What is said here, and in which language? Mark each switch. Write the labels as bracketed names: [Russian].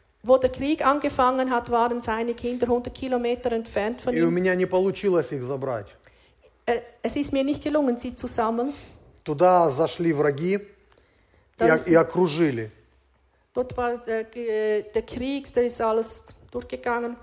[German] Wo der Krieg angefangen hat, waren seine Kinder 100 Kilometer entfernt von ihm. [Russian] И у меня не получилось их забрать. [German] Es ist mir nicht gelungen, sie zu sammeln. [Russian] Туда зашли враги и окружили. [German] Dort war der Krieg, da ist alles durchgegangen.